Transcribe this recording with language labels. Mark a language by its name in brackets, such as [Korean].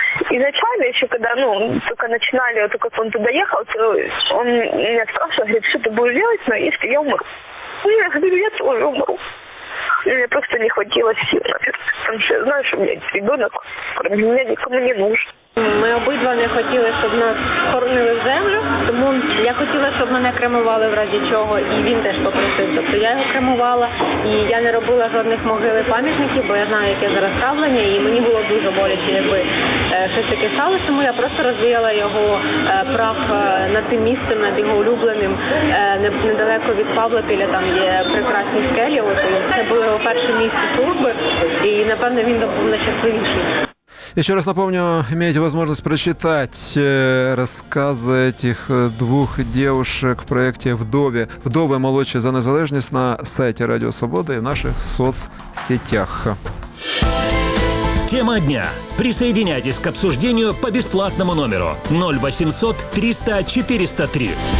[Russian] Изначально еще, когда, ну, только начинали, только как он туда ехал, то он меня спрашивал, говорит, что ты будешь делать, но если я умру. Ну, я говорю, я тоже умру. Мне просто не хватило сил, потому что я знаю, что у меня есть ребенок, кроме меня никому не нужен. [Ukrainian] Ми обидва не хотіли, щоб нас хоронили землю, тому я хотіла, щоб мене кремували в разі чого, і він теж попросив, тобто я його кремувала, і я не робила жодних могили пам'ятників, бо я знаю, яке зараз ставлення, і мені було дуже боляче, якби щось таке сталося, тому я просто розвіяла його прах над тим місцем, над його улюбленим, недалеко від Павлопіля, там є прекрасні скелі, от, це було його перше місце турби, і, напевно, він був найщасливіший. [Russian] Еще раз напомню, имеете возможность прочитать рассказы этих двух девушек в проекте «Вдови». «Вдовы молодши за незалежність» на сайте «Радио Свобода» и в наших соцсетях. Тема дня. Присоединяйтесь к обсуждению по бесплатному номеру 0800 300 403.